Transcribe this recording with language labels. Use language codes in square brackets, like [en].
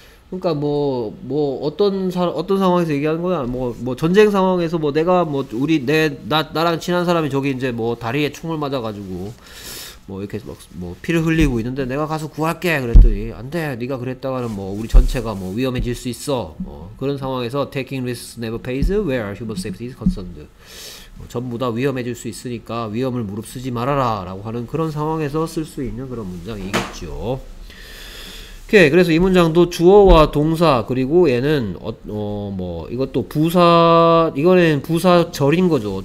[ko] 그러니까 어떤 상황에서 얘기하는 거냐? 뭐 전쟁 상황에서 뭐 내가 뭐 우리 내 나랑 친한 사람이 저기 이제 뭐 다리에 총을 맞아 가지고 뭐 이렇게 막 뭐 피를 흘리고 있는데 내가 가서 구할게 그랬더니 안 돼. 네가 그랬다가는 뭐 우리 전체가 뭐 위험해질 수 있어. 뭐 그런 상황에서 [en] taking risks never pays where human safety is concerned. [ko] 뭐 전부 다 위험해질 수 있으니까 위험을 무릅쓰지 말아라라고 하는 그런 상황에서 쓸 수 있는 그런 문장이겠죠. 오케이. 그래서 이 문장도 주어와 동사, 그리고 얘는 뭐 이것도 부사, 이거는 부사절인 거죠.